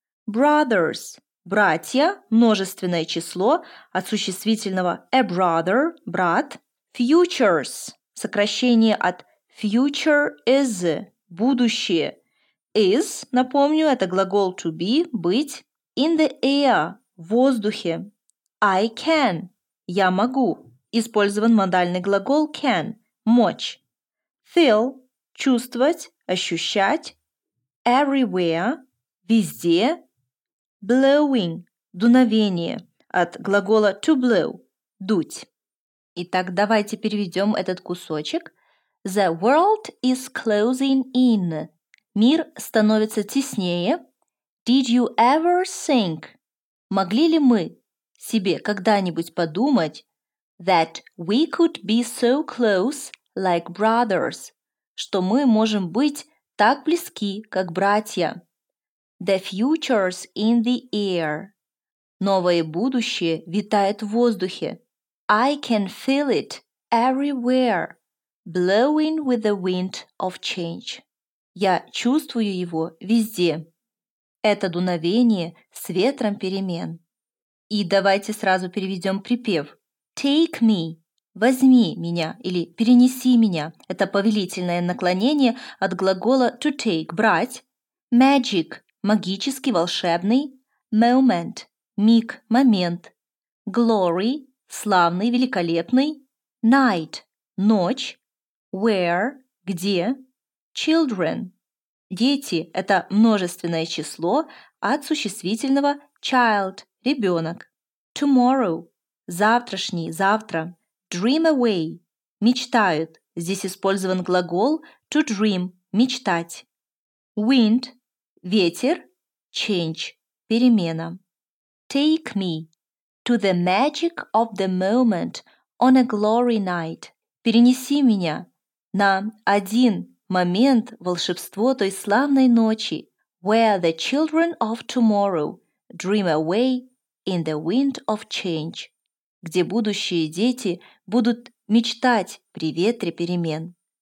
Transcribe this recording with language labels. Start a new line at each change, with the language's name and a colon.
Russian: Brothers, братья, множественное число от существительного a brother, брат. Futures, сокращение от future is, будущее. Is, напомню, это глагол to be, быть.
English: In the air,
Russian: в воздухе.
English: I can,
Russian: я могу. Использован модальный глагол can, мочь. Feel, чувствовать, ощущать. Everywhere, везде. Blowing, дуновение, от глагола to blow, дуть. Итак, давайте переведем этот кусочек.
English: The world is closing in.
Russian: Мир становится теснее.
English: Did you ever think?
Russian: Могли ли мы себе когда-нибудь подумать
English: that we could be so close like brothers?
Russian: Что мы можем быть так близки, как братья?
English: The future's in the air.
Russian: Новое будущее витает в воздухе.
English: I can feel it everywhere, blowing with the wind of change.
Russian: Я чувствую его везде. Это дуновение с ветром перемен. И давайте сразу переведем припев.
English: Take me.
Russian: Возьми меня или перенеси меня. Это повелительное наклонение от глагола to take. Брать. Magic. Магический, волшебный. Moment. Миг, момент. Glory. Славный, великолепный. Night. Ночь. Where. Где. Children. Дети – это множественное число от существительного child – ребенок. Tomorrow – завтрашний, завтра.
English: Dream away – мечтают.
Russian: Здесь использован глагол to dream – мечтать. Wind – ветер. Change – перемена.
English: Take me to the magic of the moment on a glory night.
Russian: Перенеси меня на один момент волшебство той славной ночи,
English: where the children of tomorrow dream away in the wind of change,
Russian: где будущие дети будут мечтать при ветре перемен.